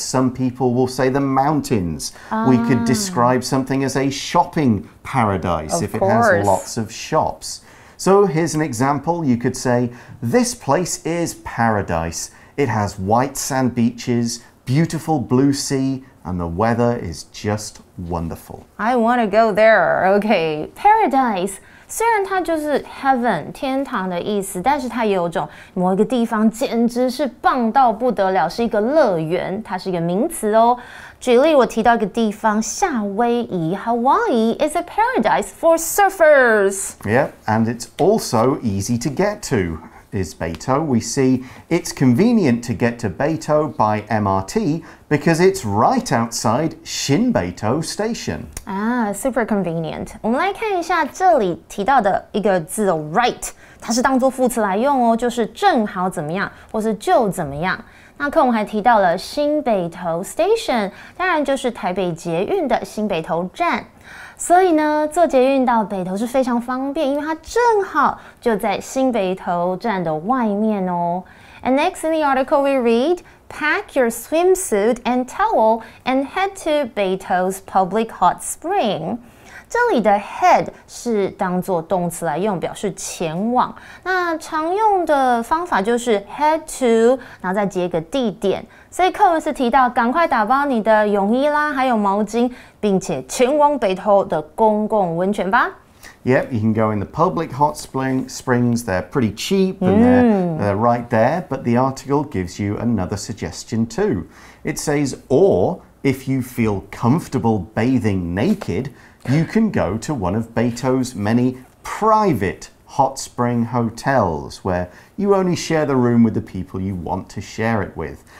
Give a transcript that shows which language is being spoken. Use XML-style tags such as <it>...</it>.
<en>Some people will say the mountains.、We could describe something as a shopping paradise if、 course. It has lots of shops. So here's an example. You could say, this place is paradise. It has white sand beaches, beautiful blue sea, and the weather is just wonderful. I want to go there. Okay, paradise.</en> <zh>虽然它就是 heaven, 天堂的意思，但是它也有种某一个地方简直是棒到不得了，是一个乐园，它是一个名词哦。举例，我提到一个地方，夏威夷 ，</zh> <en>Hawaii is a paradise for surfers. Yeah, and it's also easy to get to, is Beito. We see it's convenient to get to Beito by MRT because it's right outside Shinbeito Station. Ah, super convenient.</en> <zh>我们来看一下这里提到的一个字哦 ，right， 它是当作副词来用哦，就是正好怎么样，或是就怎么样。那课文还提到了新北投 station， 当然就是台北捷运的新北投站。所以呢，坐捷运到北投是非常方便，因为它正好就在新北投站的外面哦。</zh> <en>And next in the article we read, pack your swimsuit and towel and head to Beito's public hot spring.</en> <zh>这里的 head 是当作动词来用，表示前往。那常用的方法就是 head to， 然后再接一个地点。所以课文是提到，赶快打包你的泳衣啦，还有毛巾，并且前往北投的公共温泉吧。</zh> <en>Yep, you can go in the public hot springs. They're pretty cheap and、mm. they're right there. But the article gives you another suggestion too. It says, or if you feel comfortable bathing naked. You can go to one of Beito's many private hot spring hotels where you only share the room with the people you want to share it with.</en>